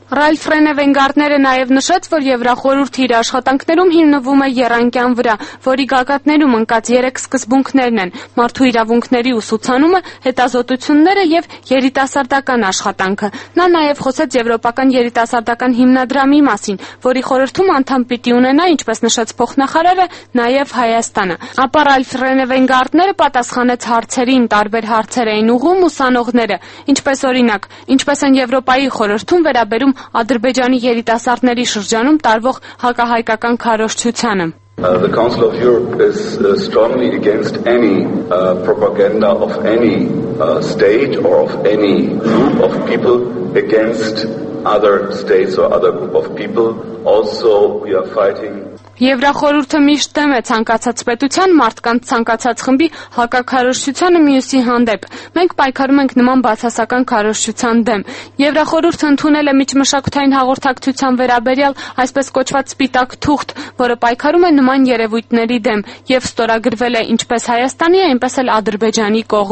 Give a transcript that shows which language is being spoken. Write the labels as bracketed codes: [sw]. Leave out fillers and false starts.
[hy] Ralph Renevengardner-ը նաև նշեց, որ Եվրախորհուրդի իր աշխատանքներում հիմնվում է եռանկյան վրա, որի գագաթներում ընկած 3 սկզբունքներն են՝ մարդու իրավունքների ուսուցանումը, հետազոտությունները և երիտասարդական աշխատանքը։ Նա նաև խոսեց Եվրոպական երիտասարդական հիմնադրամի մասին, որի խորհրդում անդամ պիտի ունենա, ինչպես նշեց փոխնախարարը, նաև Հայաստանը։ Ապա Ralph Renevengardner-ը պատասխանեց հարցերին, տարբեր հարցեր էին ուղղում ուսանողները, ինչպես օրինակ, ինչպես են Եվրոպայի խորհրդում վերաբերում Ադրբեջանի երիտասարդների շրջանում տարվող հակահայկական քարոշչությանը։ [en] The Council of Europe is strongly against any propaganda of any state or of any group of people against other states or other group of people. Also we are fighting [hy] Եվրախորհուրդը միշտ դեմ է ցանկացած պետության, մարդկանց ցանկացած խմբի հակակարոշչությանը մյուսի հանդեպ։ Մենք պայքարում ենք նման բացասական կարոշչության դեմ։ Եվրախորհուրդը ընդունել է միջմշակութային հաղորդակցության վերաբերյալ այսպես կոչված սպիտակ թուղթ, որը պայքարում է նման երևույթների դեմ, և ստորագրվել է ինչպես Հայաստանի, այնպես էլ Ադրբեջանի